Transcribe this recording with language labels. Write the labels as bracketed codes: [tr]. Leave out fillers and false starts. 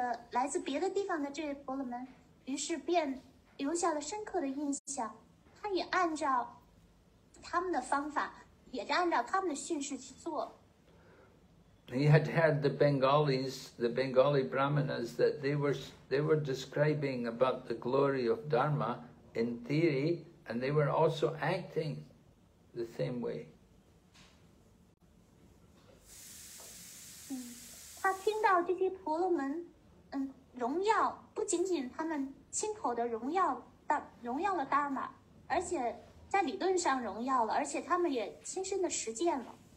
[zh] 来自别的地方的这些婆罗门于是便留下了深刻的印象，他也按照他们的方法也是按照他们的训示去做。 [en] He had heard the Bengali Brahmanas that they were describing about the glory of Dharma in theory, and they were also acting the same way. [zh] 他听到这些婆罗门，荣耀不仅仅他们亲口的荣耀了 Dharma， 而且在理论上荣耀了，而且他们也亲身的实践了。